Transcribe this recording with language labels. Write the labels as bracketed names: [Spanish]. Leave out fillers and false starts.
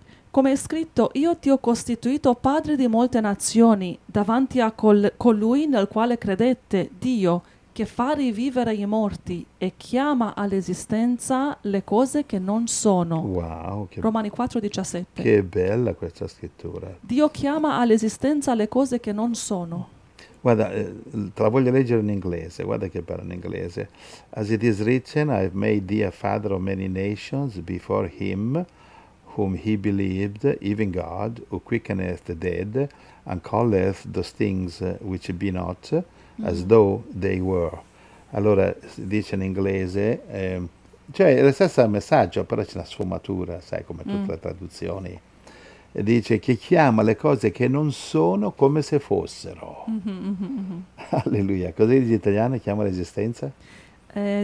[Italian] Come è scritto, io ti ho costituito padre di molte nazioni, davanti a colui nel quale credette, Dio, che fa rivivere i morti e chiama all'esistenza le cose che non sono. Wow, Romani 4, 17. che bella questa scrittura. Dio chiama all'esistenza le cose che non sono. Guarda, te la voglio leggere in inglese, guarda che bella in inglese. [English] As it is written, I have made thee a father of many nations before him whom he believed, even God, who quickeneth the dead, and calleth those things which be not, as though they were. [Italian] Allora, dice in inglese, cioè è lo stesso messaggio, però c'è una sfumatura, sai, come tutte le traduzioni. E dice che chiama le cose che non sono come se fossero. Alleluia, cosa dice l'italiano? Chiama l'esistenza? Ecco.